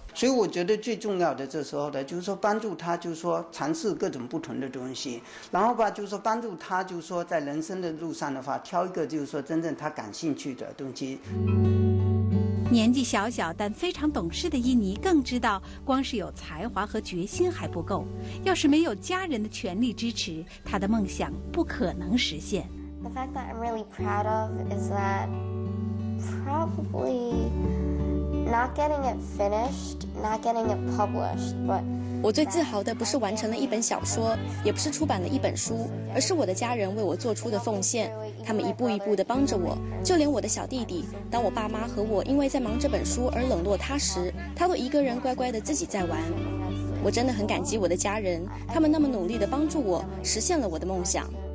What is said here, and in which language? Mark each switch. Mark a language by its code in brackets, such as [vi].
[zh] 所以我觉得最重要的这时候的就是说帮助他，就是说尝试各种不同的东西，然后吧，就是说帮助他，就是说在人生的路上的话挑一个就是说真正他感兴趣的东西。年纪小小但非常懂事的伊妮更知道，光是有才华和决心还不够，要是没有家人的全力支持，他的梦想不可能实现。 [en] The fact that I'm really proud of is that probably not getting it finished, not getting it published, but [zh] 我最自豪的不是完成了一本小说，也不是出版了一本书，而是我的家人为我做出的奉献。他们一步一步地帮着我，就连我的小弟弟，当我爸妈和我因为在忙这本书而冷落他时，他都一个人乖乖地自己在玩。我真的很感激我的家人，他们那么努力地帮助我，实现了我的梦想。